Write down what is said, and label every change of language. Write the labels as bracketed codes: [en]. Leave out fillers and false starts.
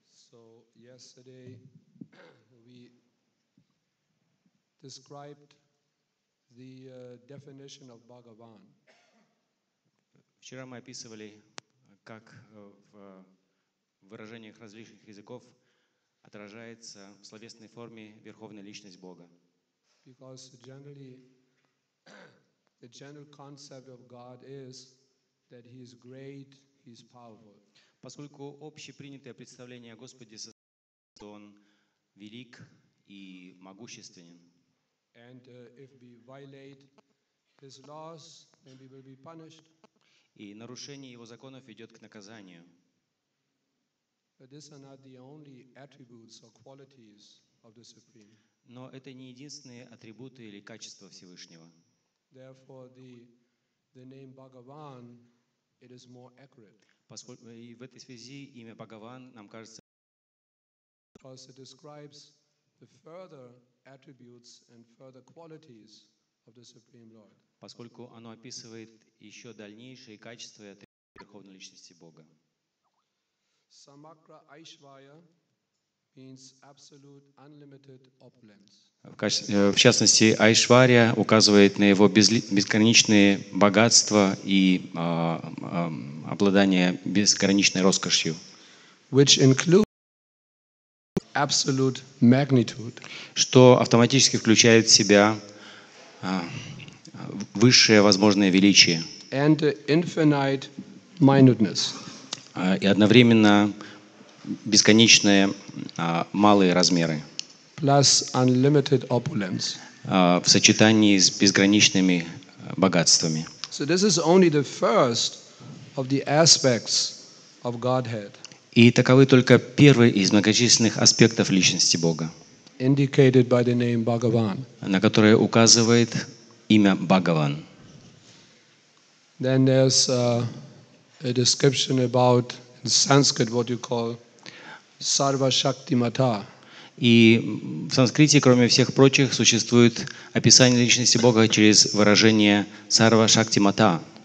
[en] So yesterday we described the definition of Bhagavan. [ru] Вчера мы описывали, как в выражениях различных языков отражается в словесной форме Верховная Личность Бога. [en] Because generally the general concept of God is that He is great, He is powerful. [ru] Поскольку общепринятое представление о Господе состоит в том, что Он велик и могущественен. [en] And if we violate His laws, then we will be punished. [ru] И нарушение Его законов ведет к наказанию. [en] But these are not the only attributes or qualities of the Supreme. [ru] Но это не единственные атрибуты или качества Всевышнего. [en] Therefore, the name Bhagavan, it is more accurate. [ru] Поскольку и в этой связи имя Бхагаван нам кажется. [en] Because it describes the further attributes and further qualities of the Supreme Lord. [ru] Поскольку оно описывает еще дальнейшие качества и атрибуты Верховной Личности Бога. [en] Samagra Aishvaya means absolute unlimited opulence. [ru] В частности, Айшвария указывает на его безграничные богатства и обладание безграничной роскошью. [en] Which includes absolute magnitude. [ru] Что автоматически включает в себя высшее возможное величие. [en] And infinite minuteness. [ru] И одновременно бесконечные малые размеры. [en] Plus unlimited opulence. [ru] В сочетании с безграничными богатствами. [en] So this is only the first of the aspects of Godhead. [ru] И таковы только первые из многочисленных аспектов личности Бога. [en] Indicated by the name Bhagavan. [ru] На которые указывает имя Бхагаван. [en] Then there's a description about in Sanskrit what you call Sarva Shakti Mata. [ru] И в санскрите, кроме всех прочих, существует описание личности Бога через выражение Sarva Shakti Mata.